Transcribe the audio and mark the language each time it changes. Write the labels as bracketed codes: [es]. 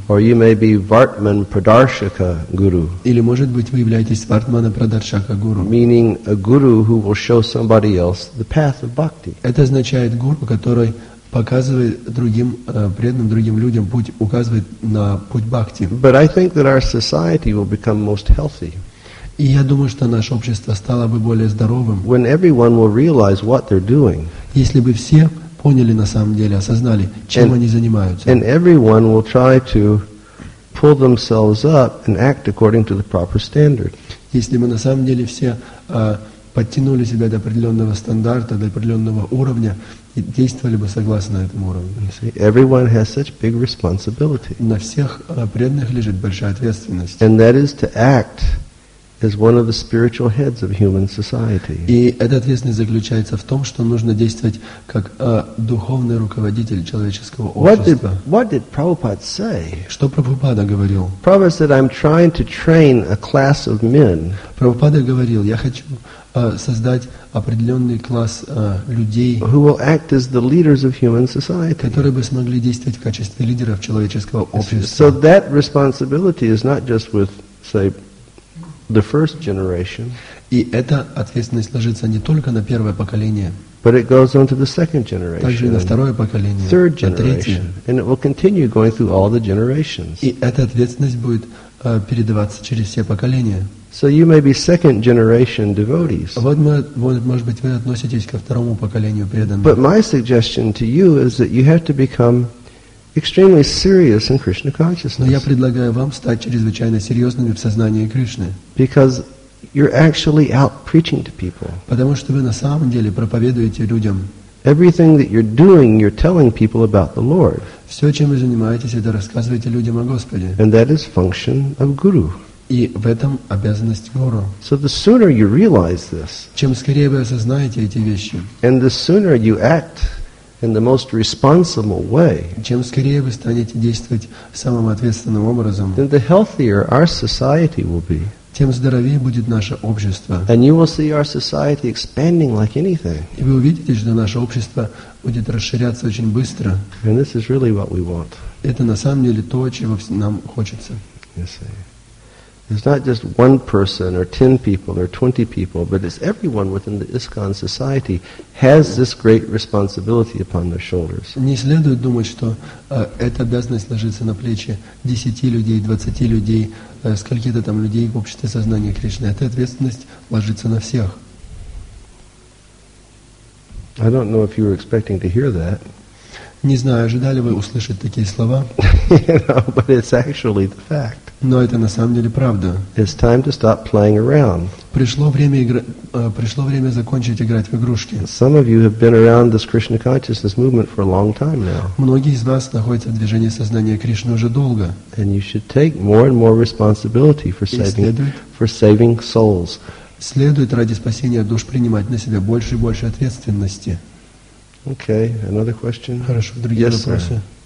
[en] Or you may be Vartman Pradarshaka Guru. [ru] Или, может быть, вы являетесь Вартмана Прадаршака Гуру. [en] Meaning a guru who will show somebody else the path of bhakti. [ru] Это означает гуру, который показывает другим преданным, другим людям путь, указывает на путь бхакти. [en] But I think that our society will become most healthy. [ru] И я думаю, что наше общество стало бы более здоровым. [en] When everyone will realize what they're doing. [ru] Если бы все поняли на самом деле, осознали, чем они занимаются. [en] And everyone will try to pull themselves up and act according to the proper standard. [ru] Если мы на самом деле все подтянули себя до определенного стандарта, до определенного уровня, и действовали бы согласно этому уровню. [en] You see, everyone has such big responsibility. [ru] На всех преданных лежит большая ответственность. [en] And that is to act as one of the spiritual heads of human society. [ru] И эта ответственность заключается в том, что нужно действовать как духовный руководитель человеческого общества. [en] What did Prabhupada say? [ru] Что Прабхупада говорил? [en] Prabhupada said, I'm trying to train a class of men. [ru] Прабхупада говорил, я хочу создать определенный класс людей, [en] who will act as the leaders of human society. [ru] Которые бы смогли действовать в качестве лидеров человеческого общества. [en] So that responsibility is not just with, say, the first generation. [ru] И эта ответственность ложится не только на первое поколение. [en] But it goes on to the second generation. [ru] Также и на второе поколение. [en] Third generation. And it will continue going through all the generations. [ru] И эта ответственность будет передаваться через все поколения. [en] So you may be second generation devotees. [ru] Вот, может быть, вы относитесь ко второму поколению преданных. [en] But my suggestion to you is that you have to become extremely serious in Krishna consciousness. [ru] Но я предлагаю вам стать чрезвычайно серьезными в сознании Кришны. [en] Because you're actually out preaching to people. [ru] Потому что вы на самом деле проповедуете людям. [en] Everything that you're doing, you're telling people about the Lord. [ru] Все, чем вы занимаетесь, это рассказываете людям о Господе. [en] And that is function of guru. [ru] И в этом обязанность гуру. [en] So the sooner you realize this, [ru] чем скорее вы осознаете эти вещи, [en] and the sooner you act in the most responsible way, [ru] чем скорее вы станете действовать самым ответственным образом, [en] then the healthier our society will be, [ru] тем здоровее будет наше общество. [en] And you will see our society expanding like anything. [ru] И вы увидите, что наше общество будет расширяться очень быстро. [en] And this is really what we want. [ru] Это на самом деле то, чего нам хочется. [en] You see. It's not just one person or 10 people or 20 people, but it's everyone within the ISKCON society has this great responsibility upon their shoulders. [ru] Не следует думать, что эта обязанность ложится на плечи 10 людей, 20 людей, скольких-то там людей в обществе сознания Кришны. Эта ответственность ложится на всех. [en] I don't know if you were expecting to hear that. [ru] Не знаю, ожидали вы услышать такие слова. [en] You know, but it's actually the fact. [ru] Но это на самом деле правда. [en] It's time to stop playing around. [ru] Пришло время закончить играть в игрушки. [en] Some of you have been around this Krishna consciousness movement for a long time now. [ru] Многие из вас находятся в движении сознания Кришны уже долго. [en] And you should take more and more responsibility for saving souls. [ru] Следует ради спасения душ принимать на себя больше и больше ответственности. [en] Okay, another question? [ru] Хорошо, другие [en] yes, [ru] вопросы. [en] Sir.